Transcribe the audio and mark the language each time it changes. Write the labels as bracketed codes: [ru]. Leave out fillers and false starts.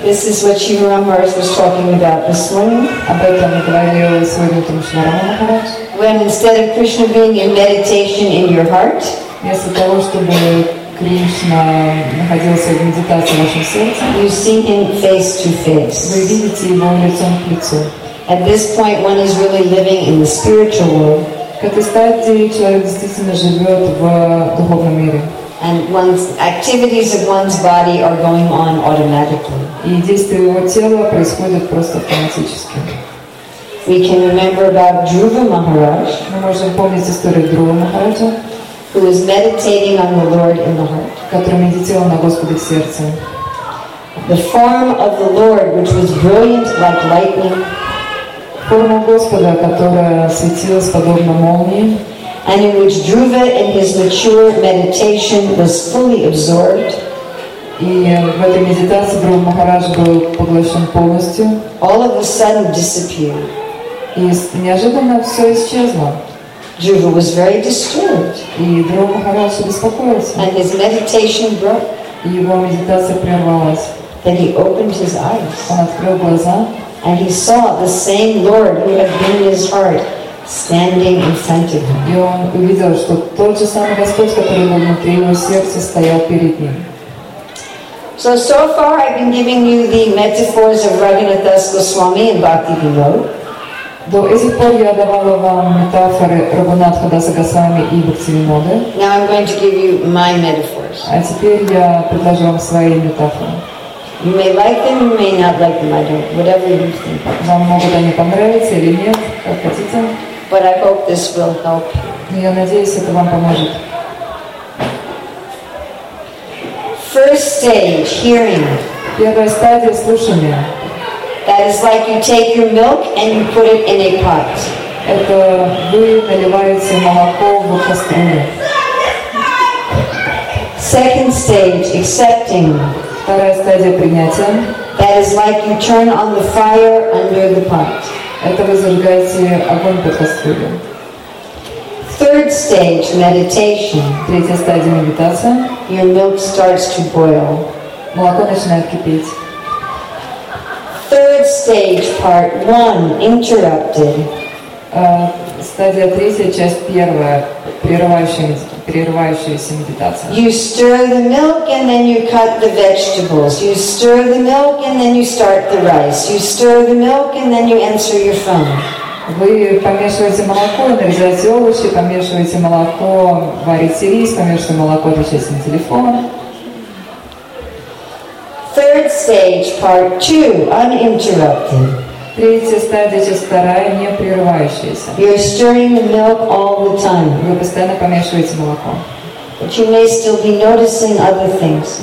[en] This is what Shivaram Maharaj was talking about this morning. [ru] Об этом говорил сегодня утром Шиварама Махарадж. [en] When instead of Krishna being in meditation in your heart, [ru] вместо того, чтобы Кришна находился в медитации в вашем сердце, [en] you see him face to face. [ru] Вы видите его лицом к лицу. [en] At this point, one is really living in the spiritual world. [ru] К этой стадии человек действительно живет в духовном мире. [en] And one's activities of one's body are going on automatically. [ru] И действия его тела происходят просто автоматически. [en] We can remember about Dhruva Maharaj. [ru] Мы можем помнить историю Друва Махараджа, [en] who was meditating on the Lord in the heart. [ru] Который медитировал на Господе в сердце. [en] The form of the Lord, which was brilliant like lightning. [ru] Форма Господа, которая светилась подобно молнии. [en] And in which Dhruva, in his mature meditation, was fully absorbed. [ru] И в этой медитации Друва Махарадж был поглощен полностью. [en] All of a sudden disappeared. [ru] И неожиданно все исчезло. [en] Dhruva was very disturbed. [ru] И Друва Махарадж беспокоился. [en] And his meditation broke. [ru] И его медитация прервалась. [en] Then he opened his eyes. [ru] Он открыл глаза. [en] And he saw the same Lord who had been in his heart. Standing in front of him. [ru] И он увидел, что тот же самый Господь, который был внутри его сердца, стоял перед ним. [en] So far I've been giving you the metaphors of Raghunath Das Goswami and Bhakti Vinod. [ru] До этих пор я давала вам метафоры Рагунатха Даса Госвами и Бхакти Винода. [en] Now I'm going to give you my metaphors. [ru] А теперь я предложу вам свои метафоры. [en] You may like them, you may not like them, I don't, whatever you think. [ru] Вам могут они понравиться или нет, как хотите. [en] But I hope this will help. [ru] Я надеюсь, это вам поможет. [en] First stage, hearing. [ru] Первая стадия слушания. [en] That is like you take your milk and you put it in a pot. [ru] Это вы наливаете молоко в кастрюлю. [en] Second stage, accepting. [ru] Вторая стадия принятия. [en] That is like you turn on the fire under the pot. [ru] Это вы зажигаете огонь под кастрюлю. [en] Third stage, meditation. [ru] Третья стадия медитация. [en] Your milk starts to boil. [ru] Молоко начинает кипеть. [en] Third stage, part one, interrupted. [ru] Стадия третья, часть первая, прерывающаяся медитация. [en] You stir the milk and then you cut the vegetables. You stir the milk and then you start the rice. You stir the milk and then you answer your phone. [ru] Вы помешиваете молоко, нарезаете овощи, помешиваете молоко, варите рис, помешиваете молоко, отвечаете на телефон. [en] Third stage, part two, uninterrupted. [ru] Третья стадия, часть вторая, не прерывающаяся. [en] You're stirring the milk all the time. [ru] Вы постоянно помешиваете молоко. [en] But you may still be noticing other things.